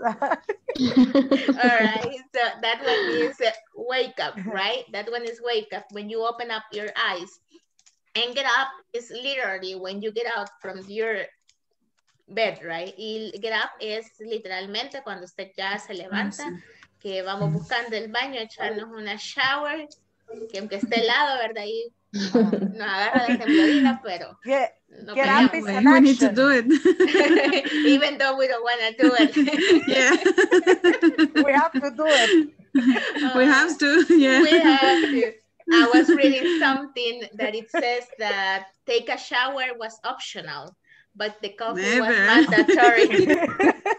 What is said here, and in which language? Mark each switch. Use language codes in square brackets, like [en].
[en] All right, so that one is wake up, right? That one is wake up, when you open up your eyes. And get up is literally when you get out from your bed, right? [es] Y get up es literalmente cuando usted ya se levanta, sí. Que vamos buscando el baño, echarnos una shower, que aunque esté helado, ¿verdad? Y nos agarra de temblorina, pero [en] no get up is an action. We need to do it. Even though we don't want to do it. Yeah. We have to do it. We have to, yeah. We have to. I was reading something that it says that take a shower was optional, but the coffee never was mandatory.